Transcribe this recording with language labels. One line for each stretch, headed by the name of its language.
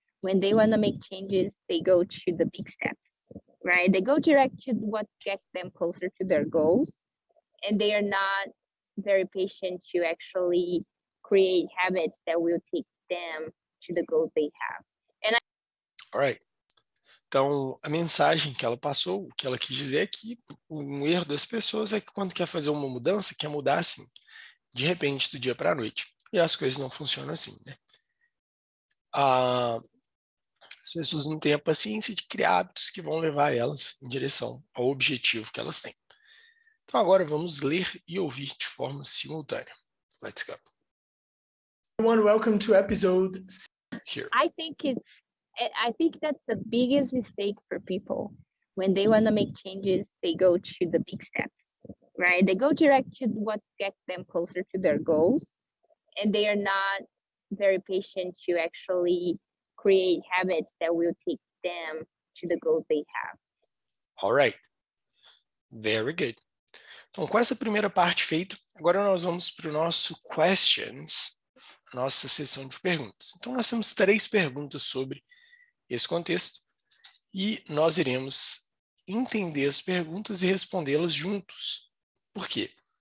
English: When they want to make changes, they go to the big steps, right? They go direct to what gets them closer to their goals, and they are not very patient to actually create habits that will take them to the goals they have. Alright.
Portuguese: Então, a mensagem que ela passou, o que ela quis dizer é que um erro das pessoas é que quando quer fazer uma mudança, quer mudar assim, de repente, do dia para a noite. E as coisas não funcionam assim, né? As pessoas não têm a paciência de criar hábitos que vão levar elas em direção ao objetivo que elas têm. Então, agora vamos ler e ouvir de forma simultânea.
English: Let's go. Everyone, welcome to episode here. I think that's the biggest mistake for people. When they want to make changes, they go to the big steps, right? They go direct to what gets them closer to their goals, and they are not very patient to actually create habits that will take them to the goals they have. All right. Very good.
Portuguese: Então, com essa primeira parte feita, agora nós vamos para o nosso questions, nossa sessão de perguntas. Então, nós temos três perguntas sobre esse contexto e nós iremos entender as perguntas e respondê-las juntos. Por quê?